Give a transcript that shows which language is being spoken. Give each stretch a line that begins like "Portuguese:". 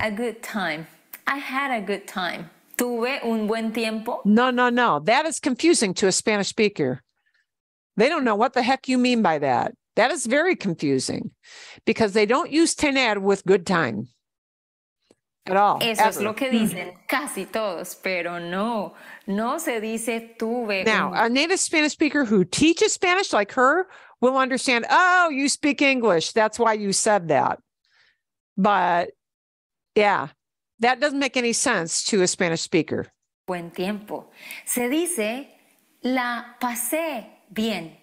English: A good time. I had a good time.
Spanish: Tuve un buen tiempo.
English: No. That is confusing to a Spanish speaker. They don't know what the heck you mean by that. That is very confusing because they don't use tener with good time at all.
Spanish: Eso ever. Es lo que dicen casi todos, pero no. No se dice tuve.
English: Now, a native Spanish speaker who teaches Spanish like her will understand, oh, you speak English. That's why you said that. But yeah. That doesn't make any sense to a Spanish speaker.
Spanish: Buen tiempo. Se dice, la pasé bien.